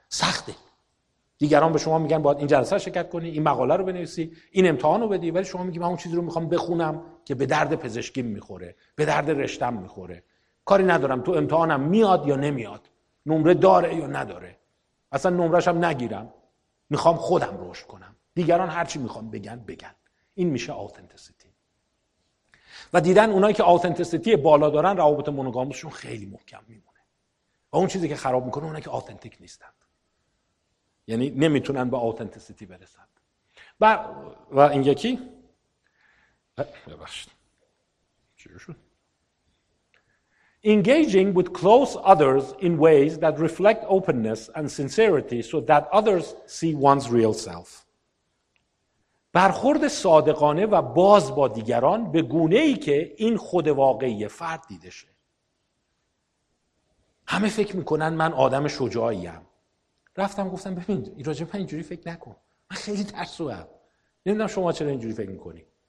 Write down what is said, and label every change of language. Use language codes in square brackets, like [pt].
[fa] سخته، دیگران به شما میگن باید این جلسه شرکت کنی، این مقاله رو بنویسی، این امتحان رو بدی، ولی شما میگی من اون چیزی رو میخوام بخونم که به درد پزشکی میخوره، به درد رشتم میخوره، کاری ندارم تو امتحانم میاد یا نمیاد، نمره داره یا نداره، اصلا نمرش هم نگیرم، میخوام خودم رشد کنم، دیگران هر چی میخوام بگن بگن. این میشه اوتنتیسیتی. و دیدن اونایی که آتنتیسیتی بالا دارن روابط مونوگامشون خیلی محکم میمونه، و اون چیزی که خراب میکنه اونایی که آتنتیک نیستن، یعنی نمیتونن با آتنتیسیتی برسن. و این یکی ببخشید چیو شد، [en] engaging with close others in ways that reflect openness and sincerity so that others see one's real self. [fa] برخورد صادقانه و باز با دیگران به گونه ای که این خود واقعی فرد دیده شه. همه فکر میکنن من آدم شجاعیم. رفتم گفتم ببین راجب من اینجوری فکر نکن، من خیلی ترسوام، نمیدونم شما چرا اینجوری فکر میکنی.